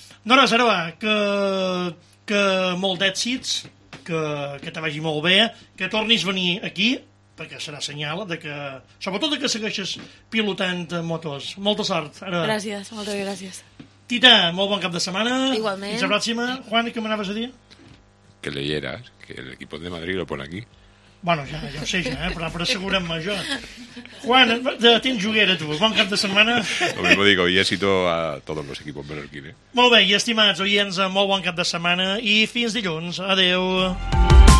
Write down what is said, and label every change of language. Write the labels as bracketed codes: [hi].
[ca] No res, ara va, que molt d'èxits, que te vagi molt bé, que tornis a venir aquí... perquè serà senyal de que, sobretot de que segueixes pilotant motos. Molta sort. Ara. Gràcies, moltes gràcies. T Tita, molt bon cap de setmana. Igualment. Fins la pròxima. Juan, què m'anaves a dir? [es] Que leyeras, que el equipo de Madrid lo pone aquí. [ca] Bueno, ja, ja ho sé, ja, però assegurem-me jo. Juan, tens juguera, tu. Bon cap de setmana. [es] Lo mismo digo, y éxito a todos los equipos menorquines. [ca] Molt bé, i estimats oients, molt bon cap de setmana i fins dilluns. Adeu.